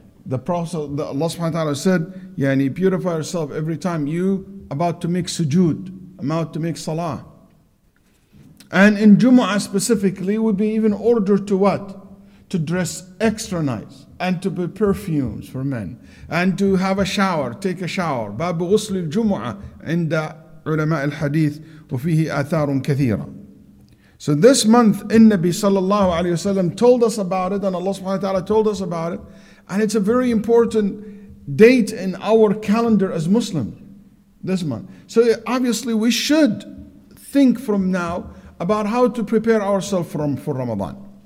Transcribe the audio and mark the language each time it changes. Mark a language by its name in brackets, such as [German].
[English] The Prophet, the Allah subhanahu wa ta'ala said, يعني purify yourself every time you about to make sujood, about to make salah. And in Jumu'ah specifically, we'd be even ordered to what? To dress extra nice and to put perfumes for men and to have a shower, take a shower. [Arabic] باب غسل الجمعة عند علماء الحديث وفيه آثار كثيرة. [English] So this month, in Nabi sallallahu alayhi wasallam told us about it, and Allah subhanahu wa ta'ala told us about it, and it's a very important date in our calendar as Muslim, this month. So obviously we should think from now about how to prepare ourselves for Ramadan.